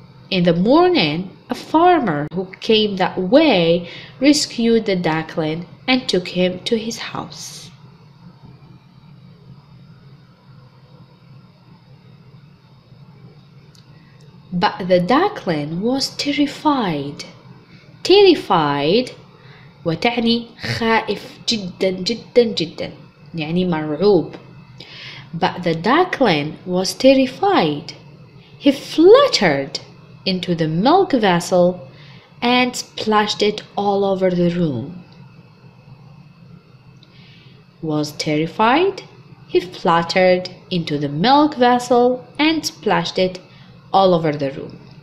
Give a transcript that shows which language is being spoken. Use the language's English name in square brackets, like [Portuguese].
[English] In the morning, a farmer who came that way rescued the duckling and took him to his house. But the duckling was terrified. [Arabic] Terrified وتعني خائف جدا جدا جدا يعني مرعوب. [English] But the duckling was terrified. He fluttered into the milk vessel and splashed it all over the room. Was terrified? He fluttered into the milk vessel and splashed it all over the room.